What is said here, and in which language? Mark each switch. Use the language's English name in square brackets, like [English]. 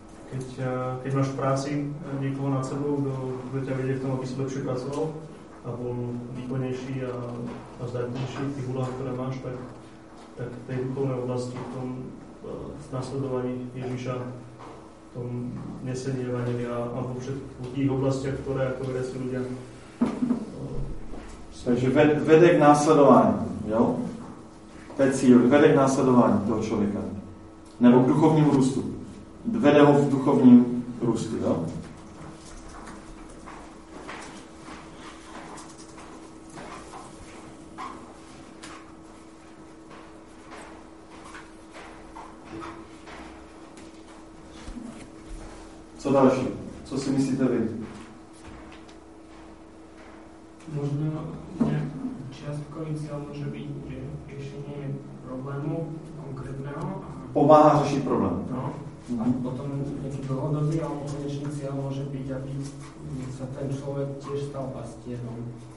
[Slovak] Keď máš v práci niekoho nad sebou, kto ťa vedie v tom, aby si lepšie pracoval a bol výkonnejší a zdatnejší v tých úlohách, ktoré máš, tak v tej duchovnej oblasti, v tom nasledovaní Ježiša, v tom nesení Evanjelia a vo všetkých tých oblastiach, ktoré ako veriaci ľudia... [Czech] Takže vede k následovaní, jo? To je cíl, vede k následovaní toho človeka. Nebo k duchovnímu rústu. Vede ho v duchovním růstu, jo? Co další? Co si myslíte vy? Možná nějaká částka lidská může být, že řešení problému konkrétného. Pomáhá řešit problém. No. [Slovak] A potom nejaký dlhodobý a konečný cieľ môže byť, aby sa ten človek tiež stal pastierom.